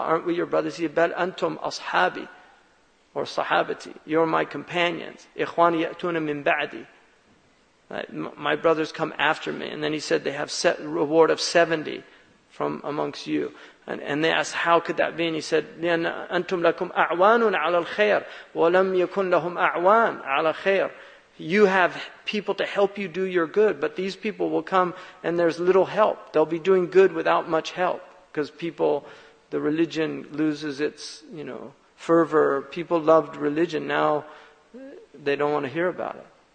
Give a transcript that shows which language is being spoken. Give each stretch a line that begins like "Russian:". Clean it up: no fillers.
English: Aren't we your brothers?" He said,
Arabic: "Bal antum ashabi,
English: or sahabati. You're my companions.
Arabic: Ikhwani yatuna min ba'di.
English: My brothers come after me." And then he said, "They have set reward of 70 from amongst you." And they asked, "How could that be?" And he said,
Arabic: "لِأَنَّ أَنْتُمْ لَكُمْ أَعْوَانٌ عَلَى الْخَيْرِ وَلَمْ يَكُنْ لَهُمْ أَعْوَانٌ عَلَى الْخَيْرِ."
English: You have people to help you do your good, but these people will come and there's little help. They'll be doing good without much help, because people, the religion loses its, you know, fervor. People loved religion. Now they don't want to hear about it.